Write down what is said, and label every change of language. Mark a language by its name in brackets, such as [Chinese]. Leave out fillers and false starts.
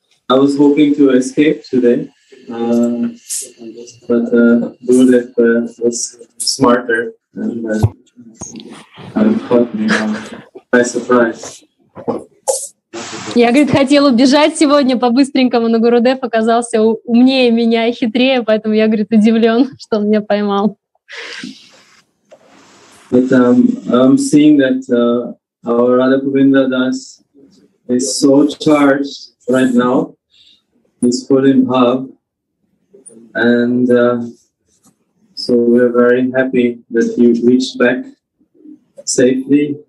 [English] I was hoping to escape today, but Gurudev was smarter and caught me by surprise. [Russian] Я, говорит, хотел убежать сегодня по-быстренькому, но Гурудев оказался умнее меня и хитрее, поэтому я, говорит, удивлен, что он меня поймал. [English] But I'm seeing that our Radha Govinda Das is so charged right now. He's full in bhava. And so we're very happy that he reached back safely.